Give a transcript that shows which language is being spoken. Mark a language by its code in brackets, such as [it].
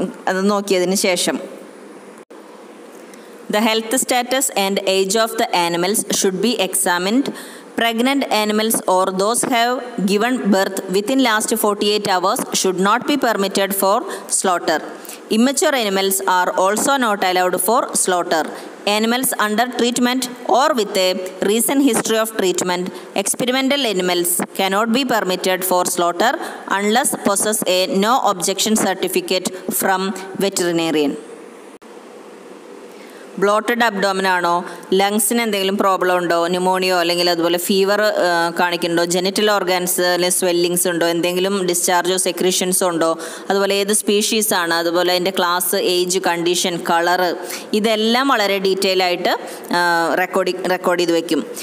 [ml] അത് നോക്കിയതിന് ശേഷം [en] The health status and age of the animals should be examined. Pregnant animals or those have given birth within last 48 hours should not be permitted for slaughter. Immature animals are also not allowed for slaughter. Animals under treatment or with a recent history of treatment, experimental animals cannot be permitted for slaughter unless possess a no objection certificate from veterinarian. [ml] Blotted abdomen ആണോ, ലങ്സിന് എന്തെങ്കിലും problem ഉണ്ടോ, ന്യൂമോണിയോ അല്ലെങ്കിൽ അതുപോലെ fever കാണിക്കുന്നുണ്ടോ, genital organs അല്ലെങ്കിൽ swellings ഉണ്ടോ, എന്തെങ്കിലും ഡിസ്ചാർജോ സെക്രീഷൻസോ ഉണ്ടോ, അതുപോലെ ഏത് സ്പീഷീസ് ആണ്, അതുപോലെ അതിൻ്റെ ക്ലാസ്, ഏജ്, കണ്ടീഷൻ, കളർ, ഇതെല്ലാം വളരെ ഡീറ്റെയിൽ ആയിട്ട് റെക്കോർഡ് ചെയ്ത് വയ്ക്കും.